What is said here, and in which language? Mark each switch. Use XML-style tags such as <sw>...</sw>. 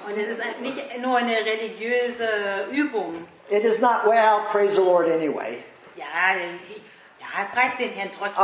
<de>Und es ist nicht nur eine religiöse Übung.</de> <en>It is not, well, praise the Lord anyway.</en> <de>Ja, er preist den Herrn trotzdem.</de>